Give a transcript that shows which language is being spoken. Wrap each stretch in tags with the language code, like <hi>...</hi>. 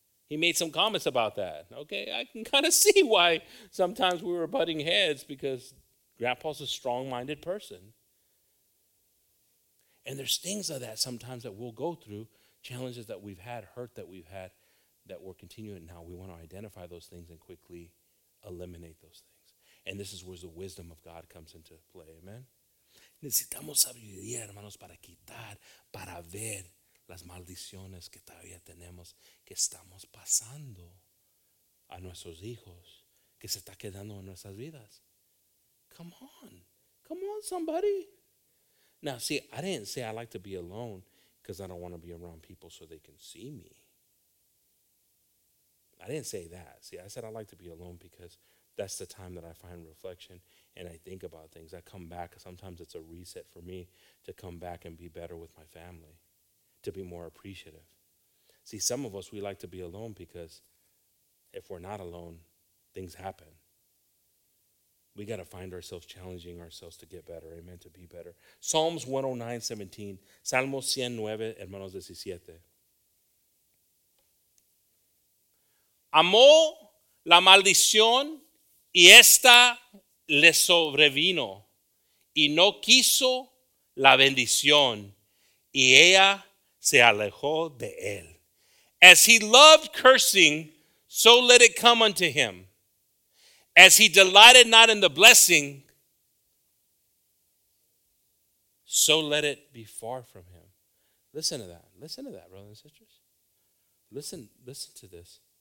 <en>He made some comments about that. Okay, I can kind of see why sometimes we were butting heads because Grandpa's a strong-minded person. And there's things of that sometimes that we'll go through, challenges that we've had, hurt that we've had, that we're continuing now. We want to identify those things and quickly eliminate those things. And this is where the wisdom of God comes into play. Amen?</en> <es>Necesitamos sabiduría, hermanos, para quitar, para ver las maldiciones que todavía tenemos, que estamos pasando a nuestros hijos, que se está quedando en nuestras vidas.</es> <en>Come on. Come on, somebody. Now, see, I didn't say I like to be alone because I don't want to be around people so they can see me. I didn't say that. See, I said I like to be alone because that's the time that I find reflection and I think about things. I come back. Sometimes it's a reset for me to come back and be better with my family, to be more appreciative. See, some of us, we like to be alone because if we're not alone, things happen. We got to find ourselves challenging ourselves to get better. Amen, to be better. Psalms 109:17.</en> <es>Salmos 109, hermanos 17. Amó la maldición y esta le sobrevino. Y no quiso la bendición y ella se alejó de él.</es> <en>As he loved cursing, so let it come unto him. As he delighted not in the blessing, so let it be far from him. Listen to that. Listen to that, brothers and sisters. Listen to this.</en>